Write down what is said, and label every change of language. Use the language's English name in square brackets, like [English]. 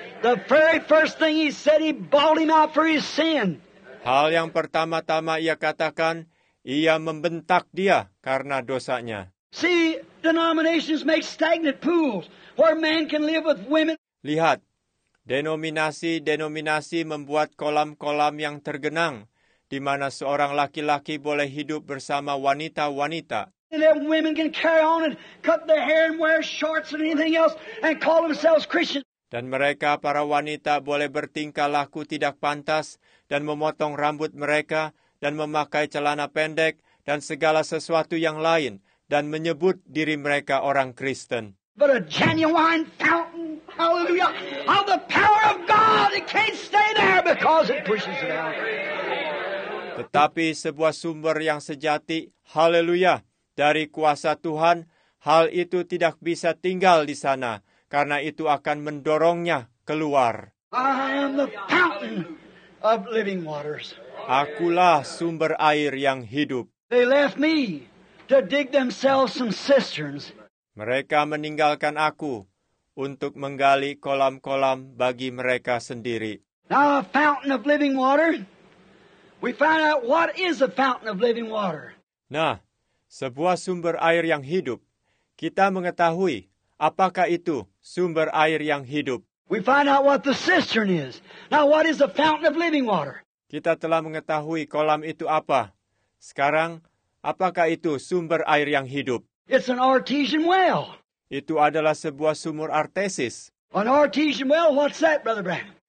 [English] The very first thing he said, he bawled him out for his sin. [Indonesian] Hal yang pertama-tama ia katakan, ia membentak dia karena dosanya. [English] See, denominations make stagnant pools where man can live with women. [Indonesian] Lihat, denominasi-denominasi membuat kolam-kolam yang tergenang, di mana seorang laki-laki boleh hidup bersama wanita-wanita. [English] And then women can carry on and cut their hair and wear shorts and anything else and call themselves Christians. [Indonesian] Dan mereka, para wanita, boleh bertingkah laku tidak pantas dan memotong rambut mereka dan memakai celana pendek dan segala sesuatu yang lain dan menyebut diri mereka orang Kristen. [English] But a genuine fountain, hallelujah, of the power of God, it can't stay there because it pushes it out. [Indonesian] Tetapi sebuah sumber yang sejati, hallelujah, dari kuasa Tuhan, hal itu tidak bisa tinggal di sana, karena itu akan mendorongnya keluar. [English] I am the fountain of living waters. [Indonesian] Akulah sumber air yang hidup. [English] They left me to dig themselves some cisterns. [Indonesian] Mereka meninggalkan aku untuk menggali kolam-kolam bagi mereka sendiri. [English] Now a fountain of living water. We find out what is a fountain of living water. [Indonesian] Nah, sebuah sumber air yang hidup. Kita mengetahui apakah itu sumber air yang hidup. [English] We find out what the cistern is. Now what is a fountain of living water? [Indonesian] Kita telah mengetahui kolam itu apa. Sekarang, apakah itu sumber air yang hidup? [English] It's an artesian well. [Indonesian] Itu adalah sebuah sumur artesis. [English] An artesian well, what's that, Brother Branham?